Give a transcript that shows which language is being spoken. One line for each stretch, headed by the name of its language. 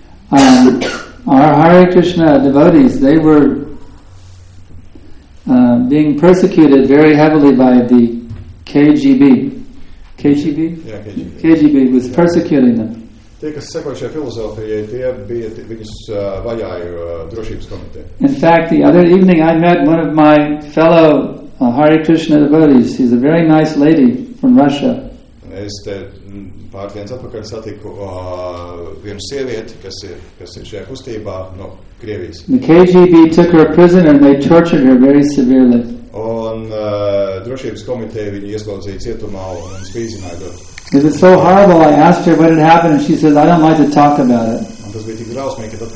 English: Our Hare Krishna devotees, they were being persecuted very heavily by the KGB. KGB? Yeah, KGB. KGB was persecuting them.
Latvian: Tie, kas sekoja šajā filozofijai, tie bija viņus vajāja drošības komitē.
English: In fact, the other evening I met one of my fellow Hare Krishna devotees. She's a very nice lady from Russia.
Latvian: Es te pārdienas atpakaļ satiku vienu sievieti, kas ir šajā kustībā no Krievijas.
English: The KGB took her prisoner and they tortured her very severely.
Latvian: Un drošības komitē viņu ieslodzīja cietumā un spīdzināja to.
English: It was so horrible, I asked her what had happened, and she said, I don't like to talk about it.